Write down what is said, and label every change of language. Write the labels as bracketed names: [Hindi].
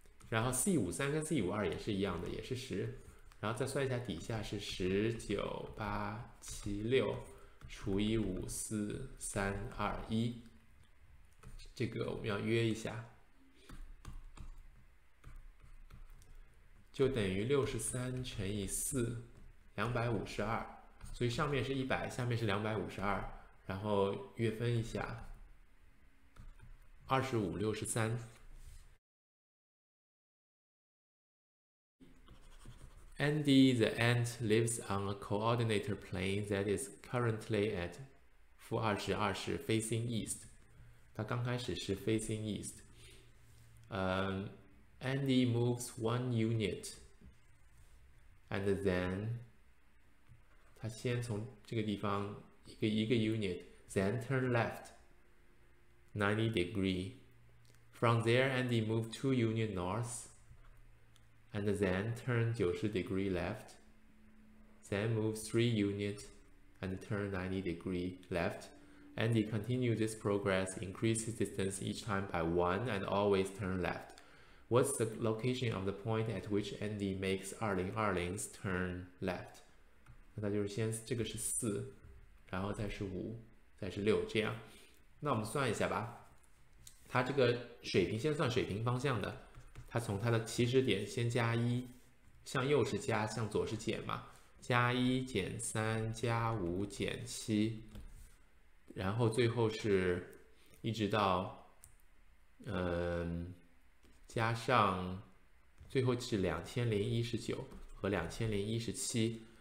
[Chinese] 然后 C53 跟 C52 也是一样的，也是十。然后再算一下，底下是19876除以54321，这个我们要约一下，就等于63乘以四，252。所以上面是100，下面是252，然后约分一下，25、63。 [English] Andy the ant lives on a coordinate plane that is currently at [Chinese] 负二十二是 [English] facing east， [Chinese] 它刚开始是 facing east。 [English] Andy moves one unit and then [Chinese] 他先从这个地方一个 [English] unit，then turn left 90 degree。 From there, Andy moved two unit north and then turn 90 degree left。 Then move three units and turn 90 degree left. Andy continue this progress, increase his distance each time by one and always turn left. What's the location of the point at which Andy makes 2020's turn left? [Chinese] 那就是先，这个是四，然后再是五，再是六，这样。那我们算一下吧，它这个水平先算水平方向的，它从它的起始点先加一，向右是加，向左是减嘛。加一减三加五减七，然后最后是一直到，加上最后是2019和2017。